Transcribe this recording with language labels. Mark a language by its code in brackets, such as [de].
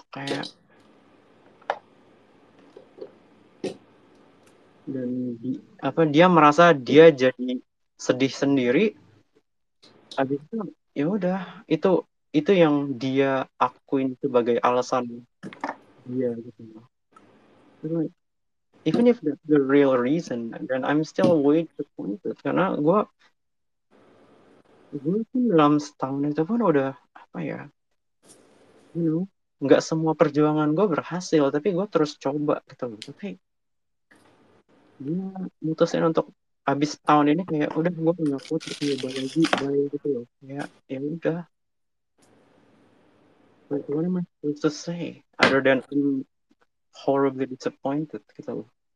[id] Kayak dan apa dia merasa dia jadi sedih sendiri, abis itu ya udah, itu yang dia akuin sebagai alasan dia gitu. [en] Even if that's the real reason, then I'm still way disappointed. [id] Karena gue pun dalam setahun itu pun udah apa ya, [en] you know, [id] nggak semua perjuangan gue berhasil, tapi gue terus coba gitu. Tapi dia mutusin untuk abis tahun ini kayak udah, gue punya putri, ya bayi gitu loh. Ya udah. [en] Like, what am I supposed to say other than I'm horribly disappointed [id] gitu loh.